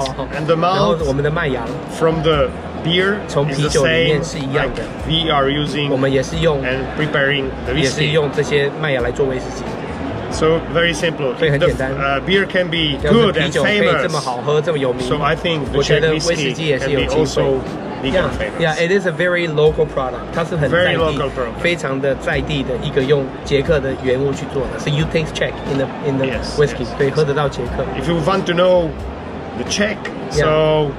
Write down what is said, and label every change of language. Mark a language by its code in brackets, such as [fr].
[en] 哈。And the malt， [zh] 我们的麦芽 [en] from the beer， [zh] 从啤酒里面是一样的。 [en] We are using， [zh] 我们也是用 [en] and preparing the whiskey， [zh] 也是用这些麦芽来做威士忌。 [en] So very simple. So very simple. Beer can be good and famous. [zh] 啤酒可以这么好喝，这么有名。 [en] So I think the Czech whiskey can be also become famous. Yeah, yeah. It is a very local product. [zh] 它是很在地，非常的在地的一个用捷克的原物去做的。 [en] So you taste Czech in the whiskey. [zh] 可以喝得到捷克。 [en] If you want to know the Czech, so